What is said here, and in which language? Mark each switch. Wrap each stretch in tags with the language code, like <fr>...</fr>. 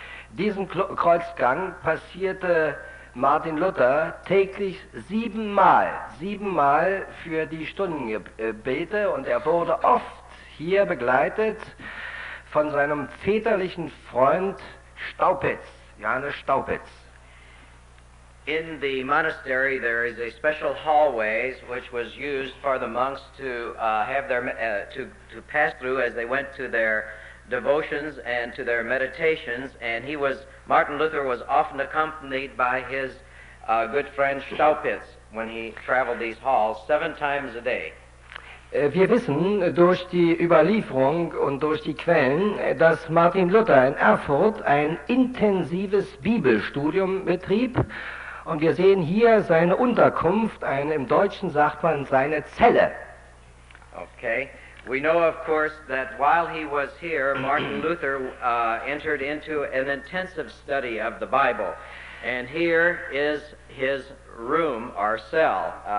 <de>Diesen Kreuzgang passierte Martin Luther täglich siebenmal für die Stundengebete und er wurde oft hier begleitet von seinem väterlichen Freund Staupitz, Johannes Staupitz.</de> <en>In the monastery, there is a special hallways which was used for the monks to have their to pass through as they went to their devotions and to their meditations. And Martin Luther was often accompanied by his good friend Staupitz when he traveled these halls seven times a day.</en> <de>Wir wissen durch die Überlieferung und durch die Quellen, dass Martin Luther in Erfurt ein intensives Bibelstudium betrieb. Und wir sehen hier seine Unterkunft, im Deutschen sagt man seine Zelle.</de> <en>Okay. We know, of course, that while he was here, Martin Luther entered into an intensive study of the Bible. And here is his room, our cell.</en>